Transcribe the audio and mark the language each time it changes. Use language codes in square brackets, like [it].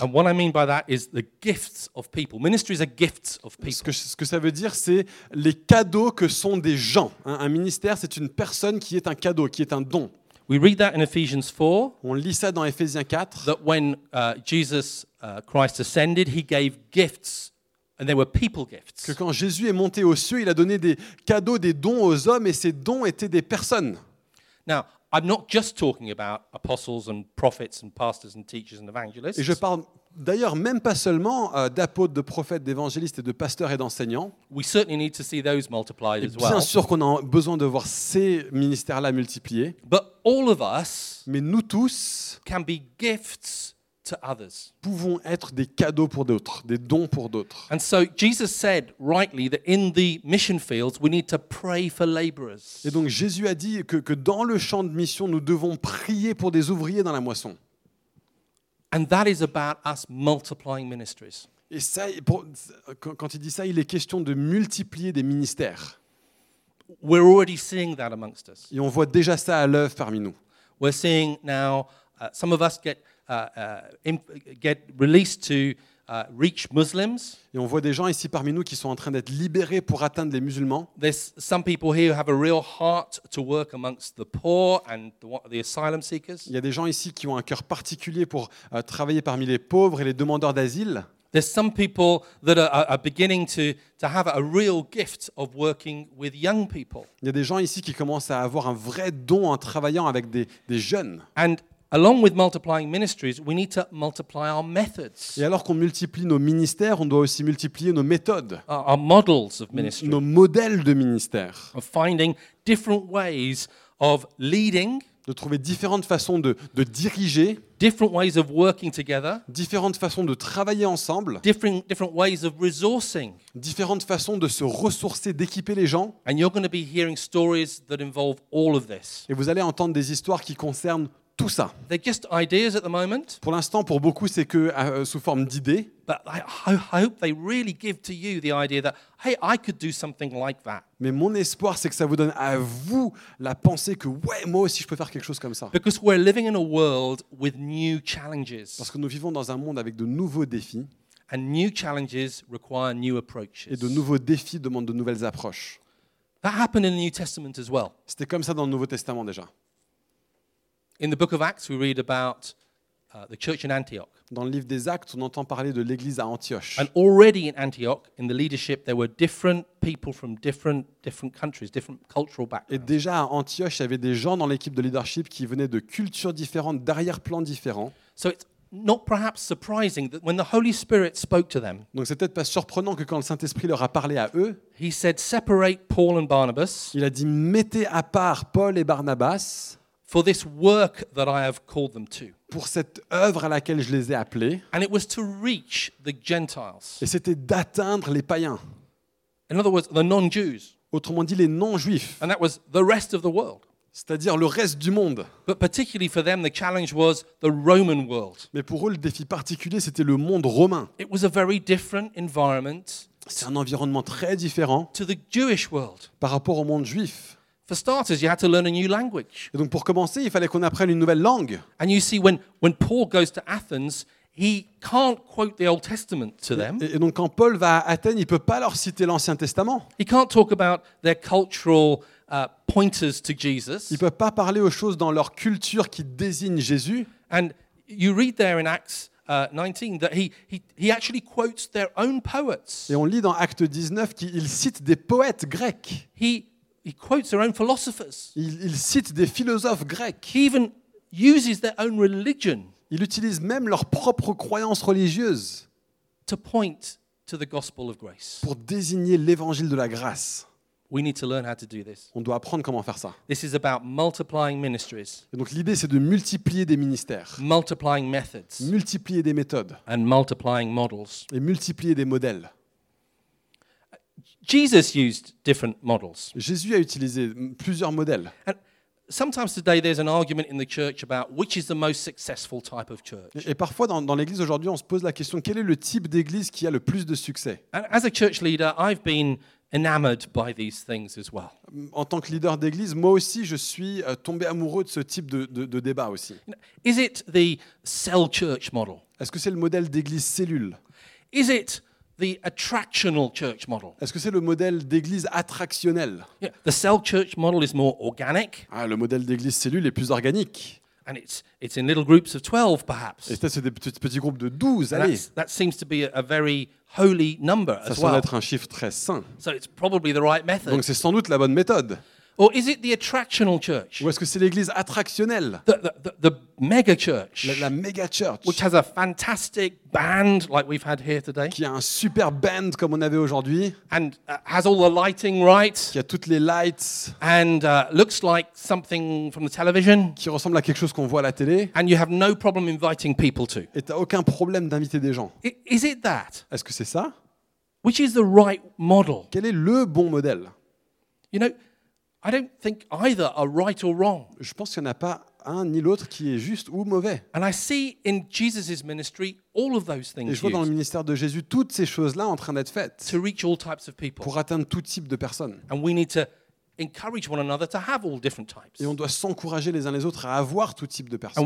[en] And what I mean by that is the gifts of people. Ministries are gifts of people. [fr] Ce que ça veut dire, c'est les cadeaux que sont des gens. Un ministère, c'est une personne qui est un cadeau, qui est un don. [en] We read that in Ephesians 4. [fr] On lit ça dans Éphésiens 4. [en] That when Jesus Christ ascended, he gave gifts. And they were people gifts. [fr] Que quand Jésus est monté aux cieux, il a donné des cadeaux, des dons aux hommes, et ces dons étaient des personnes. [en] Now, I'm not just talking about apostles and prophets and pastors and teachers and evangelists. [fr] Et je parle d'ailleurs même pas seulement d'apôtres, de prophètes, d'évangélistes et de pasteurs et d'enseignants. [en] We certainly need to see those multiplied as well. [fr] Bien sûr qu'on a besoin de voir ces ministères-là multipliés. [en] But all of us, [fr] mais nous tous, [en] can be gifts to others. [fr] Pouvons être des cadeaux pour d'autres, des dons pour d'autres. [en] And so Jesus said rightly that in the mission fields we need to pray for laborers. [fr] Et donc Jésus a dit que dans le champ de mission nous devons prier pour des ouvriers dans la moisson. [en] And that is about us multiplying ministries. [fr] Et ça, quand il dit ça, il est question de multiplier des ministères. [en] We're already seeing that amongst us. [fr] Et on voit déjà ça à l'œuvre parmi nous. [en] We're seeing now some of us get released to reach Muslims. [fr] Et on voit des gens ici parmi nous qui sont en train d'être libérés pour atteindre les musulmans. [en] There's some people here who have a real heart to work amongst the poor and the asylum seekers. [fr] Il y a des gens ici qui ont un cœur particulier pour travailler parmi les pauvres et les demandeurs d'asile. [en] There's some people that are beginning to have a real gift of working with young people. [fr] Il y a des gens ici qui commencent à avoir un vrai don en travaillant avec des jeunes. [en] And along with multiplying ministries, we need to multiply our methods. [fr] Et alors qu'on multiplie nos ministères, on doit aussi multiplier nos méthodes. [en] Our models of ministry. [fr] Nos modèles de ministère. [en] Of finding different ways of leading. [fr] De trouver différentes façons de diriger. [en] Different ways of working together. [fr] Différentes façons de travailler ensemble. [en] Different ways of resourcing. [fr] Différentes façons de se ressourcer, d'équiper les gens. [en] And you're going to be hearing stories that involve all of this. [fr] Et vous allez entendre des histoires qui concernent tout ça. [en] They're just ideas at the moment. [fr] Pour l'instant, pour beaucoup, c'est que sous forme d'idées. [en] But I hope they really give to you the idea that hey, I could do something like that. [fr] Mais mon espoir, c'est que ça vous donne à vous la pensée que ouais, moi aussi, je peux faire quelque chose comme ça. [en] Because we're living in a world with new challenges. [fr] Parce que nous vivons dans un monde avec de nouveaux défis. [en] And new challenges require new approaches. [fr] Et de nouveaux défis demandent de nouvelles approches. [en] That happened in the New Testament as well. [fr] C'était comme ça dans le Nouveau Testament déjà. [en] In the book of Acts, we read about the church in Antioch. [fr] Dans le livre des Actes, on entend parler de l'église à Antioche. [en] And already in Antioch, in the leadership, there were different people from different countries, different cultural backgrounds. [fr] Et déjà à Antioche, il y avait des gens dans l'équipe de leadership qui venaient de cultures différentes, d'arrière-plans différents. [en] So it's not perhaps surprising that when the Holy Spirit spoke to them. [fr] Donc c'est peut-être pas surprenant que quand le Saint-Esprit leur a parlé à eux. [en] He said, "Separate Paul and Barnabas." [fr] Il a dit, mettez à part Paul et Barnabas. [en] For this work that I have called them to. [fr] Pour cette œuvre à laquelle je les ai appelés. [en] And it was to reach the Gentiles. [fr] Et c'était d'atteindre les païens. [en] In other words, the non-Jews. [fr] Autrement dit, les non-juifs. [en] And that was the rest of the world. [fr] c'est-à-dire le reste du monde. [en] But particularly for them, the challenge was the Roman world. [fr] Mais pour eux, le défi particulier, c'était le monde romain. [en] It was a very different environment. [fr] C'est un environnement très différent [en] to the Jewish world. [fr] Par rapport au monde juif. [en] For starters, you had to learn a new language. [fr] Et donc pour commencer, il fallait qu'on apprenne une nouvelle langue. [en] And you see, when Paul goes to Athens, he can't quote the Old Testament to them. [fr] Et donc quand Paul va à Athènes, il peut pas leur citer l'Ancien Testament. [en] He can't talk about their cultural pointers to Jesus. [fr] Il peut pas parler aux choses dans leur culture qui désignent Jésus. [en] And you read there in Acts 19 that he actually quotes their own poets. [fr] Et on lit dans Acte 19 qu'il cite des poètes grecs. [en] He quotes their own philosophers. [fr] Il cite des philosophes grecs. [en] He even uses their own religion. [fr] Il utilise même leurs propres croyances religieuses. [en] To point to the gospel of grace. [fr] Pour désigner l'évangile de la grâce. [en] We need to learn how to do this. [fr] On doit apprendre comment faire ça. [en] This is about multiplying ministries. [fr] Et donc l'idée c'est de multiplier des ministères. [en] Multiplying methods. [fr] Multiplier des méthodes. [en] And multiplying models. [fr] Et multiplier des modèles. [en] Jesus used different models. [fr] Jésus a utilisé plusieurs modèles. [en] And sometimes today there's an argument in the church about which is the most successful type of church. [fr] Et parfois dans l'église aujourd'hui, on se pose la question, quel est le type d'église qui a le plus de succès? [en] And as a church leader, I've been enamored by these things as well. [fr] En tant que leader d'église, moi aussi je suis tombé amoureux de ce type de débat aussi. [en] Is it the cell church model? [fr] Est-ce que c'est le modèle d'église cellule? [en] Is it the attractional church model? [fr] Est-ce que c'est le modèle d'église attractionnelle? [en] Yeah, the cell church model is more organic. [fr] Ah, le modèle d'église cellule est plus organique. [en] And it's in little groups of 12 perhaps. [fr] Et c'est des petits groupes de 12, allez. [en] That seems to be a very holy number as well. [fr] Ça semble être un chiffre très saint. [en] So it's probably the right method. [fr] Donc c'est sans doute la bonne méthode. [en] Or is it the attractional church? [fr] Ou est-ce que c'est l'église attractionnelle? [en] The mega church. [fr] La mega church. [en] Which has a fantastic band like we've had here today. [fr] Qui a un super band comme on avait aujourd'hui. [en] And has all the lighting right. [fr] Qui a toutes les lights. [en] And looks like something from the television. [fr] Qui ressemble à quelque chose qu'on voit à la télé. [en] And you have no problem inviting people to. [fr] Et t'as aucun problème d'inviter des gens. [en] Is it that? [fr] Est-ce que c'est ça? [en] Which is the right model? [fr] Quel est le bon modèle? [en] You know, I don't think either are right or wrong. [fr] Je pense qu'il n'y en a pas un ni l'autre qui est juste ou mauvais. [en] And I see in Jesus's ministry all of those things. [fr] Et je vois dans le ministère de Jésus toutes ces choses-là en train d'être faites. [en] To reach all types of people. [fr] Pour atteindre tout type de personnes. [en] And we need to encourage one another to have all different types. [fr] Et on doit s'encourager les uns les autres à avoir tout type de personnes.